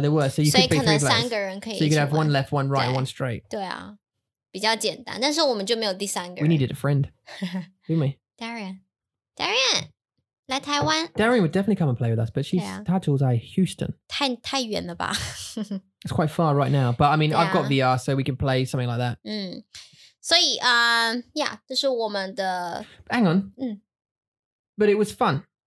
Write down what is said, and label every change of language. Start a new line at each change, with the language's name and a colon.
English: There were, so you could play three players. So you could have one left, one right, one straight.
Chinese: 对啊,比较简单,但是我们就没有第三个人。
English: We needed a friend, didn't we?
Chinese: Darian, 来台湾.
English: Darian would definitely come and play with us, but she's
Chinese: 她住在
English: Houston.
Chinese: 太远了吧?
English: It's quite far right now, but I mean, I've got VR, so we can play something like that.
Chinese: 所以, yeah, 这是我们的...
English: Hang on. But it was fun.